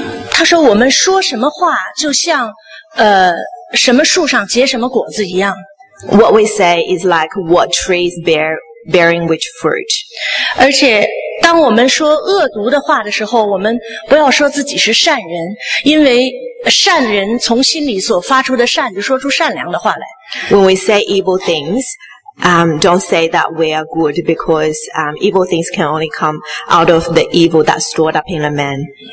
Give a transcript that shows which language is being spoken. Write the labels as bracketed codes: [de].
[zh] 他说我们说什么话就像什么树上结什么果子一样。 [en] What we say is like what trees bearing which fruit. [zh] 而且当我们说恶毒的话的时候，我们不要说自己是善人，因为善人从心里所发出的善就说出善良的话来。 [en] When we say evil things, don't say that we are good, because evil things can only come out of the evil that's stored up in a man.